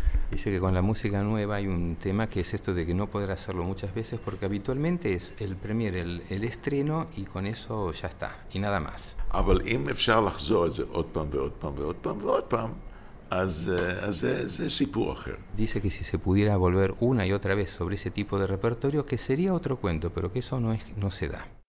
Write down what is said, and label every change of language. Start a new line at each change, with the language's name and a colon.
Spanish: Dice que con la música nueva hay un tema que es esto de que no podrá hacerlo muchas veces porque habitualmente es el premier, el estreno y con eso ya está y nada más.
Hebrew: אבל אם אפשר לחזור את זה עוד פעם ועוד פעם ועוד פעם ועוד פעם, אז זה סיפור אחר.
Spanish: Dice que si se pudiera volver una y otra vez sobre ese tipo de repertorio, que sería otro cuento, pero que eso no es, no se da.